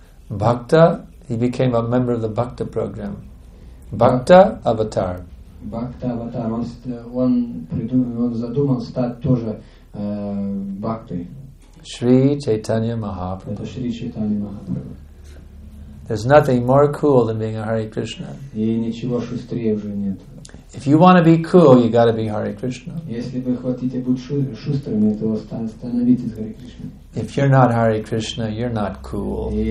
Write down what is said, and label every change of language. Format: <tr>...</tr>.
<en>Bhakta, he became a member of the Bhakta program. Bhakta avatar. Bhakta avatar.</en> <ru>Он задумал стать тоже Бхактой.</ru> <en>Shri Chaitanya Mahaprabhu.</en> <ru>Это Shri Chaitanya Mahaprabhu.</ru> <en>There's nothing more cool than being a Hare Krishna. If you want to be cool, you got to be Hare Krishna. If you're not Hare Krishna, you're not cool.</en>